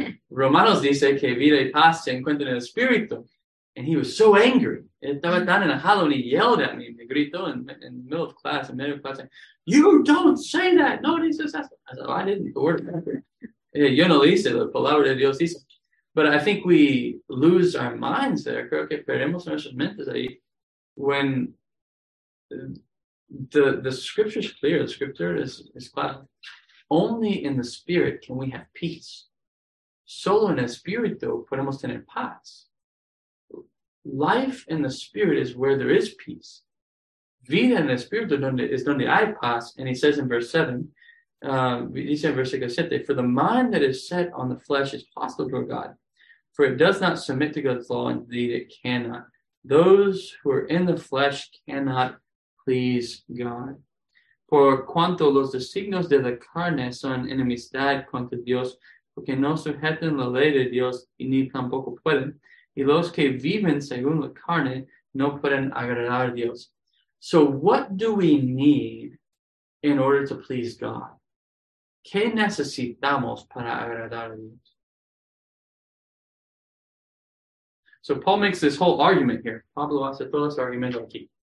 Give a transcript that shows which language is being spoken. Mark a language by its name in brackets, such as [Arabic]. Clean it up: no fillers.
[Spanish] Romanos dice que vida y paz se encuentra en el espíritu. [English] And he was so angry. [Spanish] Estaba tan enojado, [English] and he yelled at me. [Spanish] Me gritó [English] in the middle of class, in the middle of class, you don't say that. No, he says that. I said, well, I didn't. The word. [Spanish] Yo no dice, la palabra de Dios dice. [English] But I think we lose our minds there. [Spanish] Creo que perdemos nuestras mentes ahí. [English] When the scripture is clear, the scripture is clear. Only in the spirit can we have peace. [Spanish] Solo en el espíritu podemos tener paz. [English] Life in the spirit is where there is peace. [Spanish] Vida en el espíritu es donde hay paz. [English] And he says in verse 7, [Spanish] dice en versículo 7, [English] for the mind that is set on the flesh is hostile toward God. For it does not submit to God's law, indeed it cannot. Those who are in the flesh cannot please God. [Spanish] Por cuanto los designios de la carne son enemistad contra Dios, porque no sujetan la ley de Dios y ni tampoco pueden, y los que viven según la carne no pueden agradar a Dios. [English] So what do we need in order to please God? [Spanish] ¿Qué necesitamos para agradar a Dios? [English] So Paul makes this whole argument here. [Spanish] Pablo hace todo este argumento aquí.